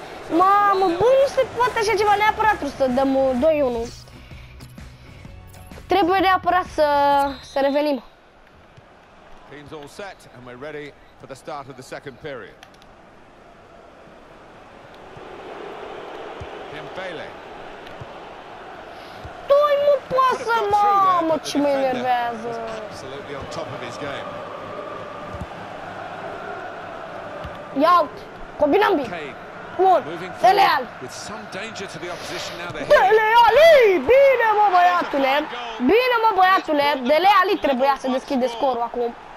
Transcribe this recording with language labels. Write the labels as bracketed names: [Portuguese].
[Romanian] Mamă, bă, nu se poate așa ceva, neapărat trebuie să dăm 2-1. Trebuie neapărat să revenim. [English] Team's all set and we're ready for the start of the second period. Dembele. [Romanian] Doi mă pasă, mamă, ce mă enervează. [English] Absolutely on top of his game. [Romanian] Ia uite, combinăm bine. Bun, Dele Alli. [English] With some danger to the opposition now, [Romanian] Dele Alli! Bine, mă, băiatule! Bine, mă, băiatule! Dele Alli trebuia să deschide scorul acum.